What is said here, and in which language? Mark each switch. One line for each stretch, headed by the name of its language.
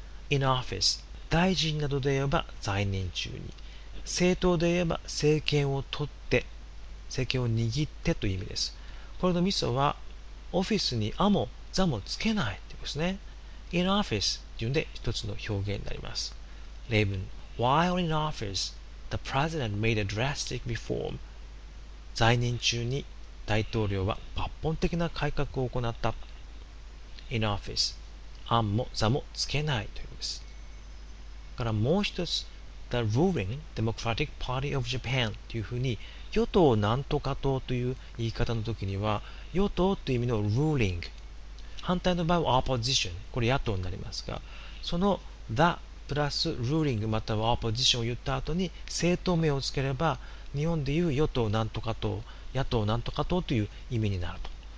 Japanese: In office 大臣などで言えば在任中に、政党で言えば政権を取って、政権を握ってという意味です。これのミソはオフィスにあもざもつけないってことですね。 in office というので一つの表現になります。例文、
English: while in office, the president made a drastic reform.
Japanese: 在任中に大統領は抜本的な改革を行った。 in office, あもざもつけないということです。からもう一つ、
English: the ruling Democratic Party of Japan
Japanese: というふうに与党なんとか党という言い方の時には、与党という意味の ruling、反対の場合は opposition、これ野党になりますが、その the プラス ruling または opposition を言った後に政党名をつければ、日本でいう与党なんとか党、野党なんとか党という意味になると。